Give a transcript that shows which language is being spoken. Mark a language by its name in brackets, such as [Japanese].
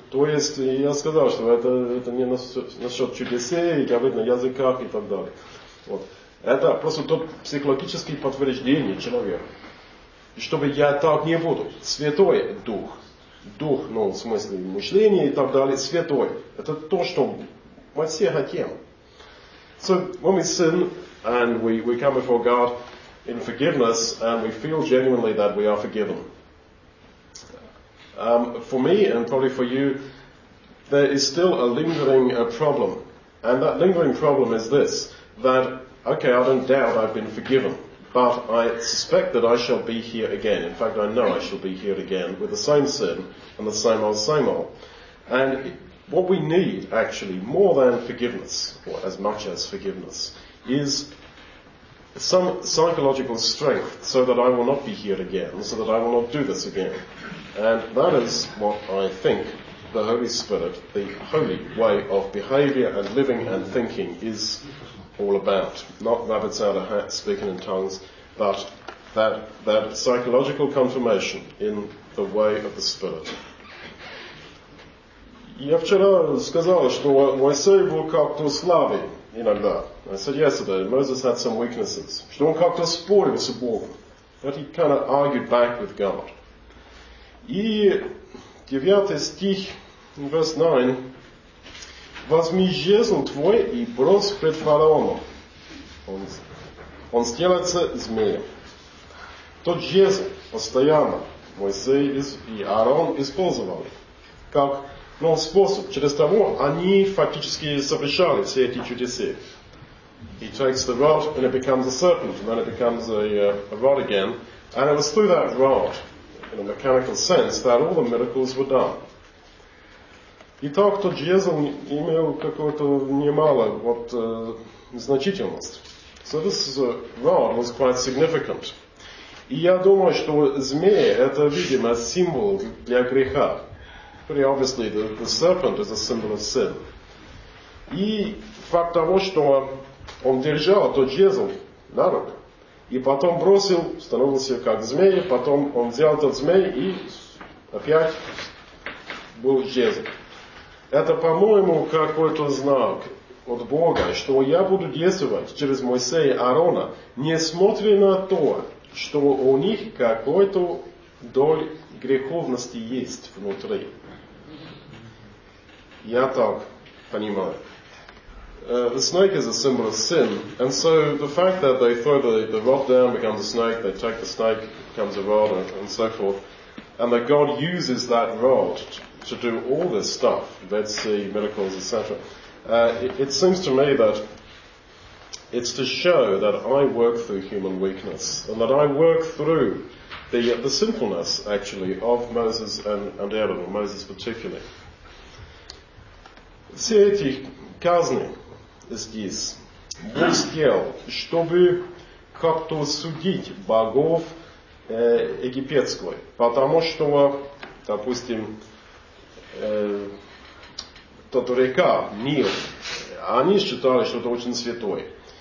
[Russian] То есть, я сказал, что это не насчет чудесей, говорить на языках и так далее. Вот. Это просто тот психологический подтверждение человека. И чтобы я так не буду, Святой Дух. Дух, ну, в смысле мышления и так далее, Святой. Это то, что... Мы все хотим. [English] So when we sin and we come before God in forgiveness and we feel genuinely that we are forgiven. For me and probably for you, there is still a lingering problem. And that lingering problem is this, that okay, I don't doubt I've been forgiven, but I suspect that I shall be here again. In fact, I know I shall be here again with the same sin and the same old, same old. And what we need, actually, more than forgiveness, or as much as forgiveness, is some psychological strength so that I will not be here again, so that I will not do this again. And that is what I think the Holy Spirit, the holy way of behavior and living and thinking, is all about. Not rabbits out of hats speaking in tongues, but that psychological confirmation in the way of the Spirit. [Russian] Я вчера сказал, что Моисей был как-то слабый иногда. [English] I said yesterday, Moses had some weaknesses. [Russian] Что он как-то спорил с Богом. [English] That he kind of argued back with God. [Russian] И 9 стих, [English] verse 9. [Russian] Возьми жезл твой и брось пред фараоном. Он сделается змеем. Тот жезл постоянно Моисей и Аарон использовали. Как... Но способ, через того они фактически совершали все эти чудеса. [English] He takes the rod and it becomes a serpent and then it becomes a rod again. And it was through that rod, in a mechanical sense, that all the miracles were done. [Russian] И так тот жезл имел какую-то немало вот значительность. [English] So this rod was quite significant. [Russian] И я думаю, что змея это, видимо, символ для греха. [English] Pretty obviously, the serpent is a symbol of sin. [Russian] И факт того, что он держал тот жезл на руку, и потом бросил, становился как змей, потом он взял тот змей и опять был жезл. Это, по-моему, какой-то знак от Бога, что я буду действовать через Моисея и Аарона, несмотря на то, что у них какой-то доль греховности есть внутри. Я так понимаю. [English] The snake is a symbol of sin, and so the fact that they throw the rod down becomes a snake, they take the snake, becomes a rod, and so forth, and that God uses that rod to do all this stuff, Red Sea, miracles, etc. It seems to me that it's to show that I work through human weakness, and that I work through the sinfulness, actually, of Moses and Aaron, or Moses particularly. [Russian] Все эти казни здесь Бог сделал, чтобы как-то судить богов египетской. Потому что, допустим, тот река Нил, они считали, что это очень святой.